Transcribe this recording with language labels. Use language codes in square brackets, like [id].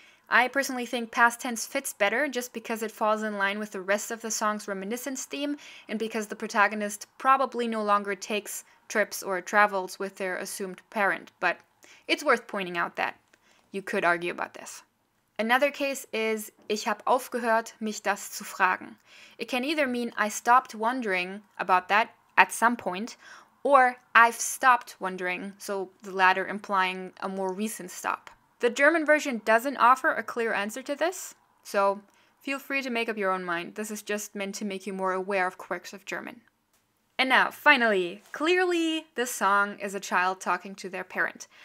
[en] I personally think past tense fits better just because it falls in line with the rest of the song's reminiscence theme and because the protagonist probably no longer takes trips or travels with their assumed parent, but it's worth pointing out that you could argue about this. Another case is [de] ich habe aufgehört, mich das zu fragen. [en] It can either mean I stopped wondering about that at some point, or I've stopped wondering, so the latter implying a more recent stop. The German version doesn't offer a clear answer to this, so feel free to make up your own mind. This is just meant to make you more aware of quirks of German. And now, finally, clearly this song is a child talking to their parent.